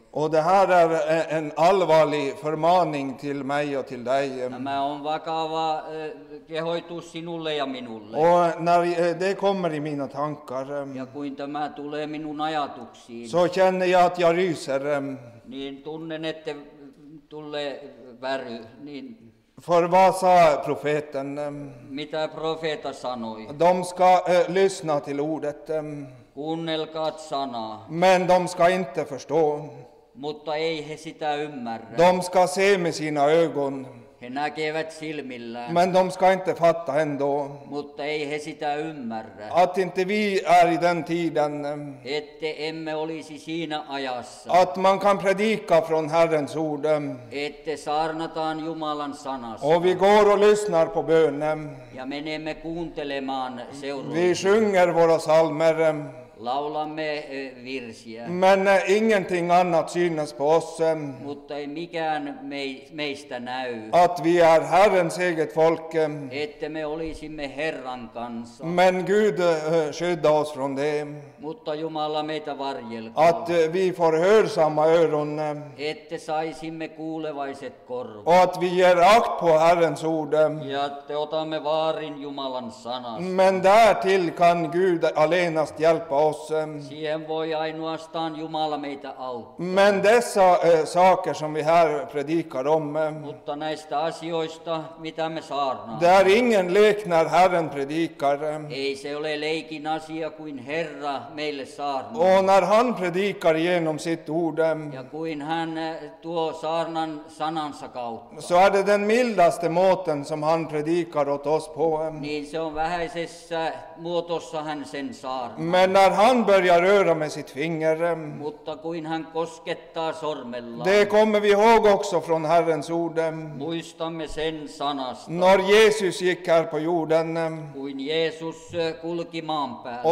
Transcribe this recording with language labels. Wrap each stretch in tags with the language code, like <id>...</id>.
<sv>Och det här är en allvarlig förmaning till mig och till dig.</sv> <fi>Tämä on vakava kehoitus sinulle ja minulle.</fi> <sv>Och när det kommer i mina tankar.</sv> <fi>Ja kuin tämä tulee minun ajatuksiin.</fi> <sv>Så känner jag att jag ryser.</sv> <fi>Niin tunnen, että tulee väry. Niin.</fi> <sv>För vad sa profeten?</sv> <fi>Mitä profeta sanoi?</fi> <sv>De ska lyssna till ordet.</sv> <fi>Kuunnelkaat sanaa.</fi> <sv>Men de ska inte förstå.</sv> <fi>Mutta ei he sitä ymmärrä.</fi> <sv>De ska se med sina ögon.</sv> <fi>He näkevät silmillään.</fi> <sv>Men de ska inte fatta ändå.</sv> <fi>Mutta ei he sitä ymmärrä.</fi> <sv>Att inte vi är i den tiden.</sv> <fi>Ette emme olisi siinä ajassa.</fi> <sv>Att man kan predika från Herrens ord.</sv> <fi>Ette saarnataan Jumalan sanasta.</fi> <sv>Och vi går och lyssnar på bönen.</sv> <fi>Ja menemme kuuntelemaan seurueen.</fi> <sv>Vi sjunger våra salmer.</sv> <fi>Laulamme virsiä.</fi> <sv>Men ingenting annat synas på oss.</sv> <fi>Mutta ei mikään meistä näy.</fi> <sv>Att vi är Herrens eget folk.</sv> <fi>Ette me olisimme Herran kanssa.</fi> <sv>Men Gud skydda oss från det.</sv> <fi>Mutta Jumala meitä varjelkoon.</fi> <sv>Att vi får hörsamma öron.</sv> <fi>Ette saisimme kuulevaiset korvat.</fi> <sv>Och att vi ger akt på Herrens ord.</sv> <fi>Ja te otamme vaarin Jumalan sanasta.</fi> <sv>Men därtill kan Gud alenast hjälpa.</sv> <fi>Siihen voi ainoastaan Jumala meitä auttaa.</fi> <sv>Men dessa saker som vi här predikar om.</sv> <fi>Mutta näistä asioista, mitä me saarnaamme.</fi> <sv>Det är ingen lek när Herren predikar.</sv> <fi>Ei se ole leikin asia, kuin Herra meille saarnaa.</fi> <sv>Och när han predikar genom sitt ord.</sv> <fi>Ja kuin hän tuo saarnan sanansa kautta.</fi> <sv>Så är det den mildaste måten som han predikar åt oss på.</sv> <fi>Niin se on vähäisessä muotossa hän sen saarnaa.</fi> <sv>Men när han börjar röra med sitt finger.</sv> <fi>Mutta kuin hän koskettaa sormella.</fi> <sv>Det kommer vi ihåg också från Herrens ord.</sv> <fi>Muistamme sen sanasta.</fi> <sv>När Jesus gick här på jorden.</sv> <fi>Kuin Jesus kulki maan päällä.</fi>